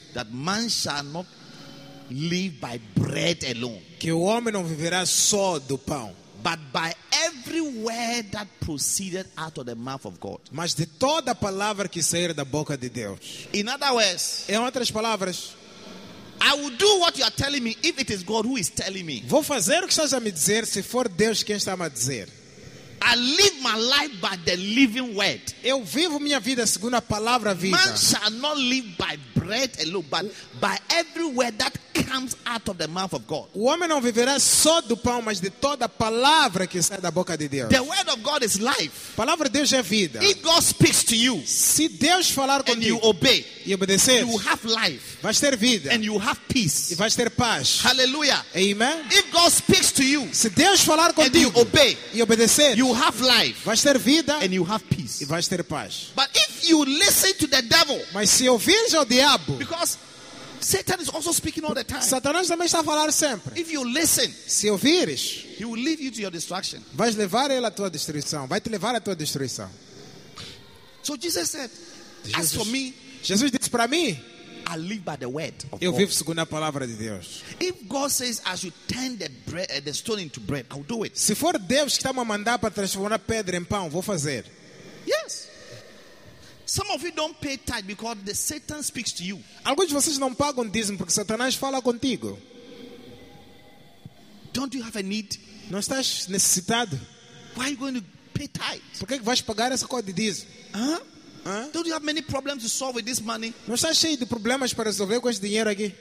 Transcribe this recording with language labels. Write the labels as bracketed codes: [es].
[en] That man shall not live by bread alone. [pt] Que o homem não viverá só do pão. [en] But by every word that proceeded out of the mouth of God. [pt] Mas de toda palavra que sair da boca de Deus. [en] In other words, [pt] em outras palavras, [en] I will do what you are telling me if it is God who is telling me. [pt] Vou fazer o que estás a me dizer se for Deus quem está a me dizer. [en] I live my life by the living word. [pt] Eu vivo minha vida segundo a palavra viva. [en] Man shall not live by bread alone, but by every word that comes out of the mouth of God. [pt] O homem não viverá só do pão, mas de toda a palavra que sai da boca de Deus. [en] The word of God is life. [pt] A palavra de Deus é vida. [en] If God speaks to you, [pt] se Deus falar contigo, [en] and you obey, [pt] e obedecer, [en] you have life. [pt] Vai ter vida. [en] And you have peace. [pt] E vai ter paz. Hallelujah. Amen. [en] If God speaks to you, [pt] se Deus falar contigo, [en] and you obey, [pt] e obedecer, [en] you have life. [pt] Vai ter vida. [en] And you have peace. [pt] E vai ter paz. [en] But if you listen to the devil, [pt] mas se ouvires ao diabo, [en] because Satan is also speaking all the time. [pt] Satanás também está a falar sempre. [en] If you listen, [pt] se ouvires, [en] he will lead you to your destruction. [pt] Vais levar ele à tua destruição. Vai te levar à tua destruição. [en] So Jesus said, as for me, [pt] Jesus disse para mim, [en] I live by the word of [pt] eu [en] God. [pt] Vivo segundo a palavra de Deus. [en] If God says I should turn the stone into bread, I'll do it. [pt] Se for Deus que está a mandar para transformar a pedra em pão, vou fazer. [en] Yes. Some of you don't pay tithe because the Satan speaks to you. [pt] Alguns de vocês não pagam dízimo porque Satanás fala contigo. [en] Don't you have a need? [pt] Não estás necessitado? [en] Why are you going to pay tithe? [pt] Por que vais pagar essa coisa de dízimo? [en] Don't you have many problems to solve with this money? [pt] Não estás cheio de problemas para resolver com esse dinheiro aqui?